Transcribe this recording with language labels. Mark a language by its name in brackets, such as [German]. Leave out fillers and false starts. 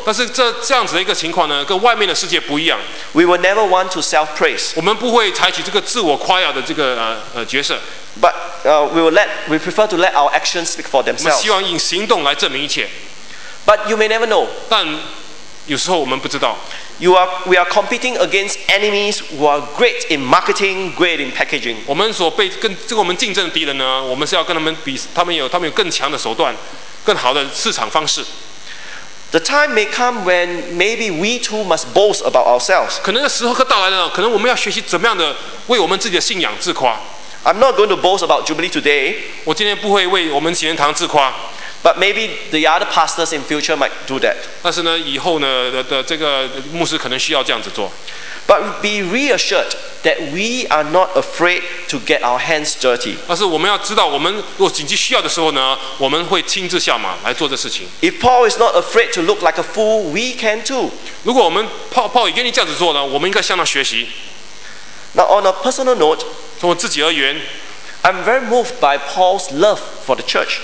[Chinese] 但是这样子的一个情况呢，跟外面的世界不一样。 [English] We will never want to self-praise. [Chinese] 我们不会采取这个自我夸耀的这个角色。 [English] But we prefer to let our actions speak for themselves. [Chinese] 我们希望以行动来证明一切。 [English] But you may never know. [Chinese] 但有时候我们不知道。 [English] We are competing against enemies who are great in marketing, great in packaging. [Chinese] 我们所被跟这个我们竞争的敌人呢，我们是要跟他们比，他们有更强的手段。更好的市场方式。 [English] The time may come when maybe we too must boast about ourselves. [Chinese] 可能时候可到来了，可能我们要学习怎么样的为我们自己的信仰自夸。 [English] I'm not going to boast about Jubilee today. [Chinese] 我今天不会为我们喜宴堂自夸。 [English] But maybe the other pastors in future might do that. [Chinese] 但是呢，以后呢的这个牧师可能需要这样子做。 [English] But be reassured that we are not afraid to get our hands dirty. [Chinese] 但是我们要知道，我们若紧急需要的时候呢，我们会亲自下马来做这事情。 [English] If Paul is not afraid to look like a fool, we can too. [Chinese] 如果我们Paul也愿意这样子做呢，我们应该向他学习。 [English] Now on a personal note, [Chinese] 从我自己而言， [English] I'm very moved by Paul's love for the church.